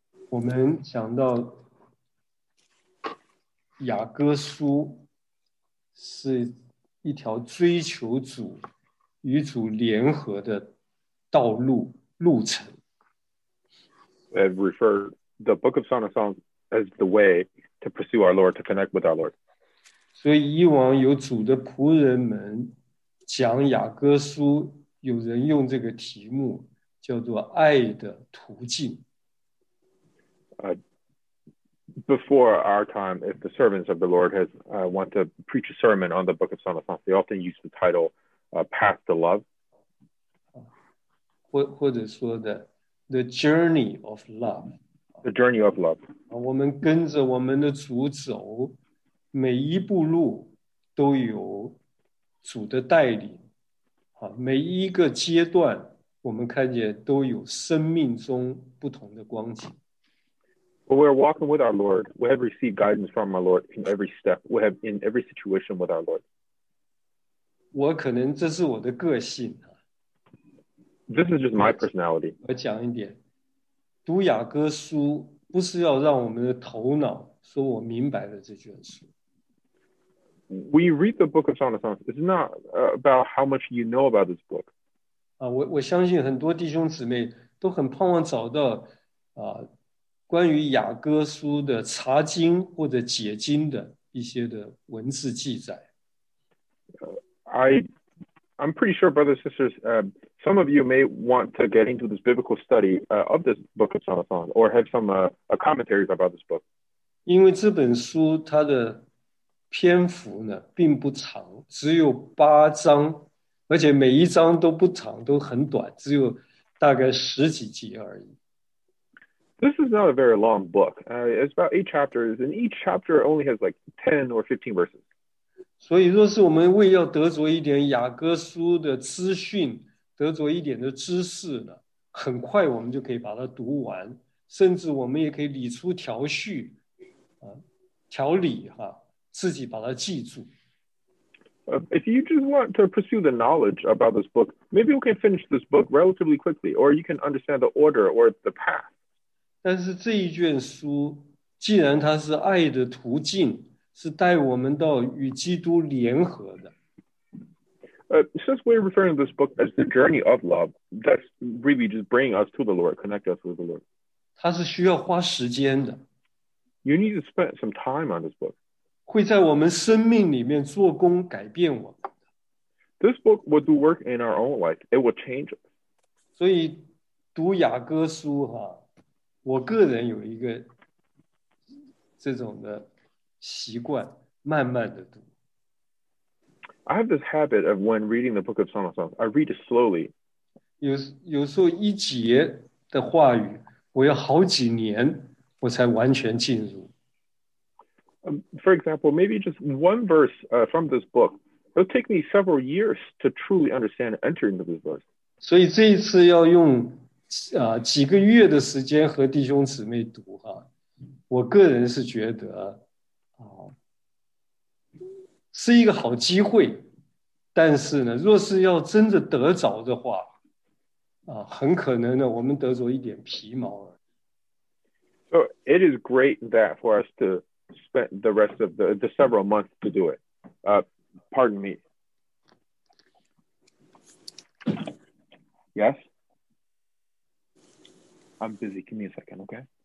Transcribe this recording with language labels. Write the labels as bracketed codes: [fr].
[zh] 我们讲到雅各书是一条追求主与主联合的道路路程。 [en] I refer the book of Song of Songs as the way to pursue our Lord, to connect with our Lord. [zh] 所以以往有主的仆人们讲雅各书，有人用这个题目叫做爱的途径。 [en] Before our time, if the servants of the Lord has, want to preach a sermon on the book of Song of Songs, they often use the title, Path to Love. [zh] 或者说的 [en] The Journey of Love. The Journey of Love. [zh] 我们跟着我们的主走，每一步路都有主的带领。每一个阶段我们看见都有生命中不同的光景。 [en] But we are walking with our Lord. We have received guidance from our Lord in every step. We have in every situation with our Lord. [zh] 我可能这是我的个性。 [en] This is just my personality. [zh] 我讲一点，读雅各书不是要让我们的头脑说我明白了这卷书。 [en] We read the book of Song of Songs. It's not about how much you know about this book. [zh] 我相信很多弟兄姊妹都很盼望找到关于雅各书的查经或者解经的一些的文字记载。 [en] I'm pretty sure, brothers and sisters, some of you may want to get into this biblical study of this book of Song of Songs, or have some commentaries about this book. [zh] 因为这本书它的篇幅呢并不长，只有八章，而且每一章都不长，都很短，只有大概十几节而已。 [en] This is not a very long book. It's about 8 chapters, and each chapter only has like 10 or 15 verses. [zh] 所以若是我们为要得着一点雅各书的资讯，得着一点的知识呢，很快我们就可以把它读完，甚至我们也可以理出条序，条理哈，自己把它记住。 [en] If you just want to pursue the knowledge about this book, maybe you can finish this book relatively quickly, or you can understand the order or the path. [zh] 但是这一卷书既然它是爱的途径，是带我们到与基督联合的。 [en] Since we're referring to this book as the journey of love, that's really just bringing us to the Lord, connect us with the Lord. [zh] 它是需要花时间的。 [en] You need to spend some time on this book. [zh] 会在我们生命里面做工改变我们。 [en] This book will do work in our own life. It will change us. [zh] 所以读雅各书哈，我个人有一个这种的习惯，慢慢的读。 [en] I have this habit of when reading the book of Song of Songs, I read it slowly. [zh] 有时候一节的话语，我要好几年我才完全进入。 [en] For example, maybe just one verse from this book, it'll take me several years to truly understand entering into this verse. [zh] 所以这一次要用几个月的时间和弟兄姊妹读哈，我个人是觉得是一个好机会，但是呢若是要真的得着的话很可能呢我们得着一点皮毛了。 [en] So it is great that for us to spend the rest of the several months to do it. Pardon me. Yes? I'm busy. Give me a second, okay?